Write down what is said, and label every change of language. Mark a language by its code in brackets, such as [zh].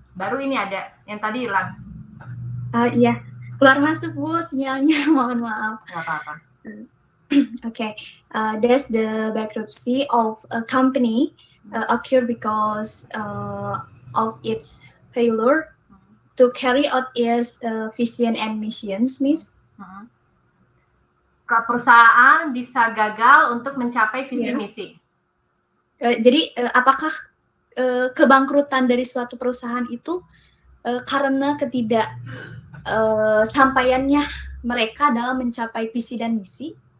[id] Baru ini ada, yang tadi hilang. Iya, keluar masuk Bu sinyalnya. Mohon maaf. Gak apa-apa. [en] Okay, does the bankruptcy of a company occur because of its failure to carry out its vision and missions, Miss? [id] Ke perusahaan bisa gagal untuk mencapai visi misi. Jadi apakah kebangkrutan dari suatu perusahaan itu karena ketidaksampaiannya mereka dalam mencapai visi dan misi?